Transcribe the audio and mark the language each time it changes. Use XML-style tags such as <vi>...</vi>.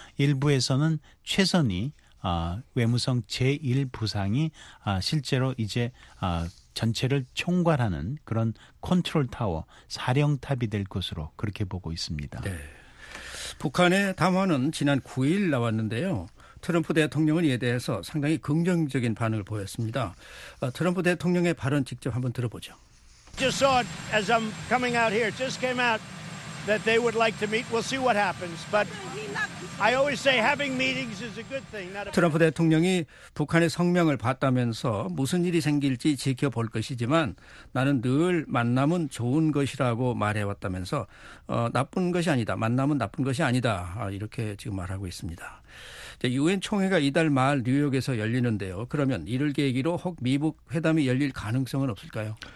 <ko>일부에서는 최선희 외무성 제1부상이 실제로 이제 전체를 총괄하는 그런 컨트롤타워 사령탑이 될 것으로 그렇게 보고 있습니다. 네. 북한의 담화는 지난 9일 나왔는데요. 트럼프 대통령은 이에 대해서 상당히 긍정적인 반응을 보였습니다. 트럼프 대통령의 발언 직접 한번 들어보죠.</ko> <en>Just saw it as I'm coming out here. Just came out that they would like to meet. We'll see what happens. But I always say having meetings is a good thing.</en> <ko>트럼프 대통령이 북한의 성명을 봤다면서 무슨 일이 생길지 지켜볼 것이지만 나는 늘 만남은 좋은 것이라고 말해왔다면서 나쁜 것이 아니다. 만남은 나쁜 것이 아니다. 이렇게 지금 말하고 있습니다. 유엔 총회가 이달 말 뉴욕에서 열리는데요. 그러면 이를 계기로 혹 미북 회담이 열릴 가능성은 없을까요?</ko>